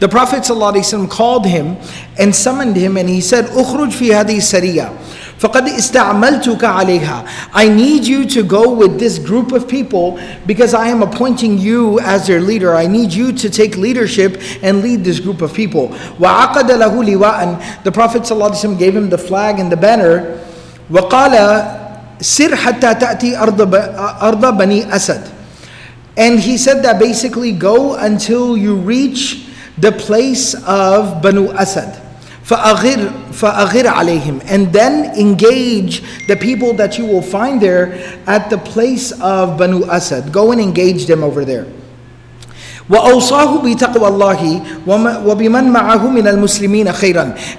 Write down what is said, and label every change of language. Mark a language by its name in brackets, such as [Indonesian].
[English] The Prophet ﷺ called him and summoned him and he said, [Arabic] أُخْرُجْ فِي هَذِهِ السَّرِيَّةِ فَقَدْ إِسْتَعْمَلْتُكَ عَلَيْهَا. [English] I need you to go with this group of people because I am appointing you as their leader. I need you to take leadership and lead this group of people. [Arabic] وَعَقَدَ لَهُ لِوَاءً. [English] The Prophet ﷺ gave him the flag and the banner. [Arabic] وَقَالَ سِرْ حَتَّى تَأْتِي أَرْضَ بَنِي أَسَدْ. [English] And he said that basically go until you reach the place of Banu Asad. [Arabic] فَأَغِرْ عَلَيْهِمْ. [English] And then engage the people that you will find there at the place of Banu Asad. Go and engage them over there. [Arabic] وَأَوْصَاهُ بِتَقْوَى اللَّهِ وَبِمَنْ مَعَهُ مِنَ الْمُسْلِمِينَ خَيْرًا.